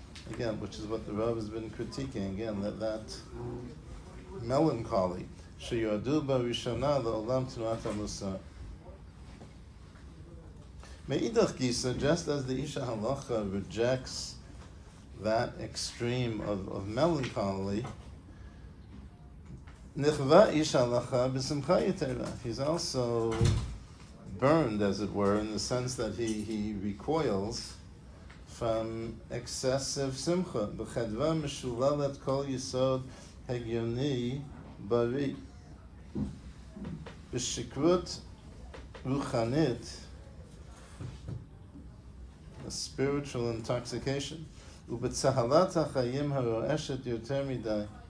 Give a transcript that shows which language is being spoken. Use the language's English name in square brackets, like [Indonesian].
[English] Again, which is what the Rav has been critiquing, again, that melancholy. [Hebrew] שיועדו בראשונה לעולם תנועת המוסר. מאידך גיסא, [English] just as the איש ההלכה rejects that extreme of melancholy, [Hebrew] נחווה איש ההלכה בשמחה יתרה. [English] He's also burned, as it were, in the sense that he recoils from excessive simcha. [Hebrew] בחדווה משוללת כל יסוד הגיוני בריא. בשקרות רוחנית, [English] a spiritual intoxication, [Hebrew] ובצהלת החיים הרועשת יותר מדי.